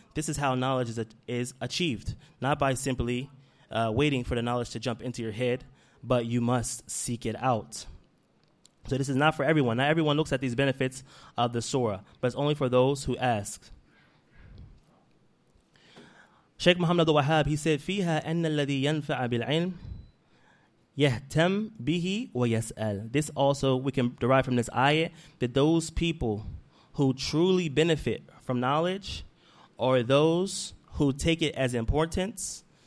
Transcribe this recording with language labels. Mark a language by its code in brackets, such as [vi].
[en] This is how knowledge is achieved, not by simply waiting for the knowledge to jump into your head, but you must seek it out. So this is not for everyone. Not everyone looks at these benefits of the surah, but it's only for those who ask. Sheikh Muhammad al-Wahhab, he said, [ar] فِيهَا أَنَّ الَّذِي يَنْفَعَ بِالْعِلْمِ يَهْتَمْ بِهِ وَيَسْأَلْ. [en] This also, we can derive from this ayah, that those people who truly benefit from knowledge are those who take it as importance.